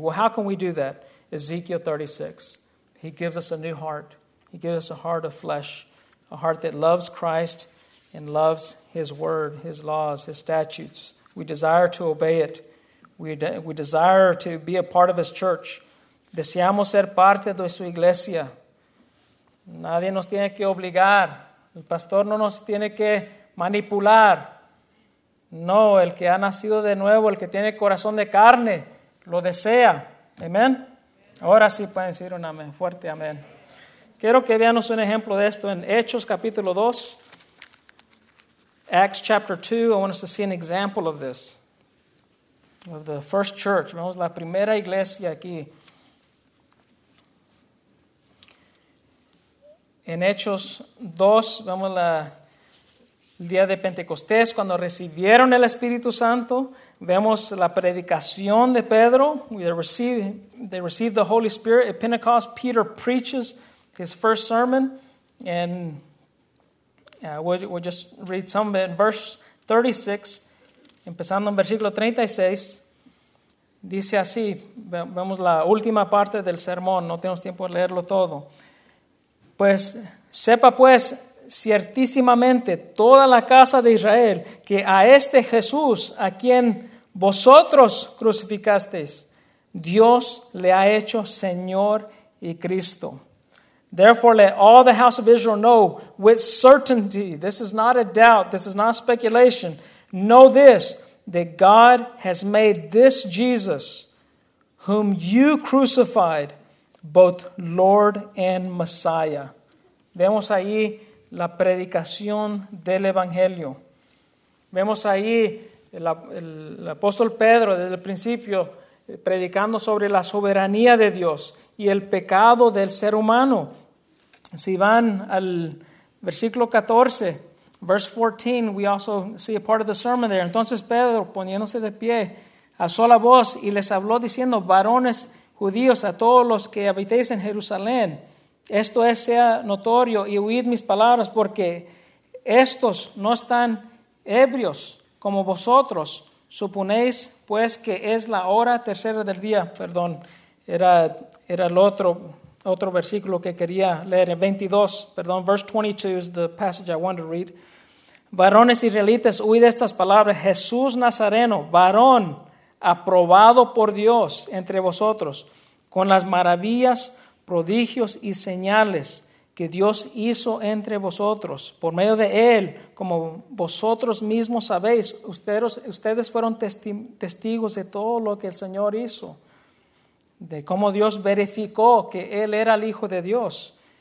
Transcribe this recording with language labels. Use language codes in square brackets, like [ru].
[en] Well, how can we do that? Ezekiel 36. He gives us a new heart. He gives us a heart of flesh, a heart that loves Christ and loves his word, his laws, his statutes. We desire to obey it. We desire to be a part of his church. [es] Deseamos ser parte de su iglesia. Nadie nos tiene que obligar. El pastor no nos tiene que manipular. No, el que ha nacido de nuevo, el que tiene corazón de carne, lo desea. Amén. Ahora sí pueden decir un amén, fuerte amén. Quiero que veamos un ejemplo de esto en Hechos capítulo 2. [en] Acts chapter 2, I want us to see an example of this. Of the first church, [es] vemos la primera iglesia aquí. En Hechos 2, vemos el día de Pentecostés, cuando recibieron el Espíritu Santo. Vemos la predicación de Pedro. [en] They received the Holy Spirit. At Pentecost, Peter preaches his first sermon. And we'll just read some of it. Verse 36, [es] empezando en versículo 36, dice así. Vemos la última parte del sermón. No tenemos tiempo de leerlo todo. Pues sepa pues ciertísimamente toda la casa de Israel que a este Jesús a quien vosotros crucificasteis, Dios le ha hecho Señor y Cristo. [en] Therefore let all the house of Israel know with certainty, this is not a doubt, this is not speculation, know this, that God has made this Jesus whom you crucified both Lord and Messiah. [es] Vemos ahí la predicación del Evangelio. Vemos ahí el apóstol Pedro desde el principio predicando sobre la soberanía de Dios y el pecado del ser humano. Si van al versículo 14, [en] verse 14, we also see a part of the sermon there. [es] Entonces Pedro, poniéndose de pie, alzó la voz y les habló diciendo, varones judíos, a todos los que habitéis en Jerusalén, esto es, sea notorio y oíd mis palabras, porque estos no están ebrios como vosotros. Suponéis pues que es la hora tercera del día. Perdón, era el otro versículo que quería leer. En 22, perdón, [en] verse 22 is the passage I want to read. [es] Varones israelitas, oíd estas palabras. Jesús Nazareno, varón aprobado por Dios entre vosotros, con las maravillas, prodigios y señales que Dios hizo entre vosotros. Por medio de él, como vosotros mismos sabéis, ustedes fueron testigos de todo lo que el Señor hizo, de cómo Dios verificó que él era el Hijo de Dios.